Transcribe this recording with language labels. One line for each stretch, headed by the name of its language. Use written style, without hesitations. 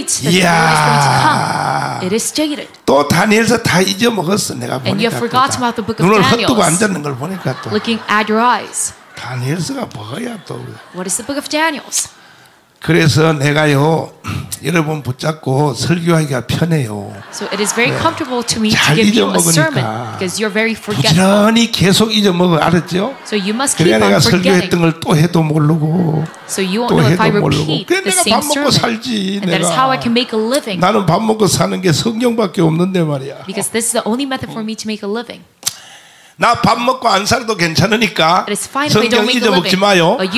Korean: 이야. 또 다니엘서 다 잊어먹었어 내가 보니까. 눈을 헛두고 앉았는 걸 보니까 또. 다니엘서가 뭐야 또.
English: What is the book of Daniel's?
Korean: 그래서 내가요 여러분 붙잡고 설교하기가 편해요.
English: So it is very comfortable to me to give you a sermon because you're very forgetful.
Korean: 부지런히 계속 잊어먹어 알았죠?
English: So you must keep
Korean: 그래 내가 설교했던 걸 또 해도 모르고.
English: So you won't know if I repeat the same sermon.
Korean: 그래 내가 밥 먹고 살지 내가.
English: And that is how I can make a living.
Korean: 나는 밥 먹고 사는 게 성경밖에 없는데 말이야.
English: Because this is the only method for me to make a living.
Korean: 나 밥 먹고 안 살도 괜찮으니까 성경 잊어먹지 마요.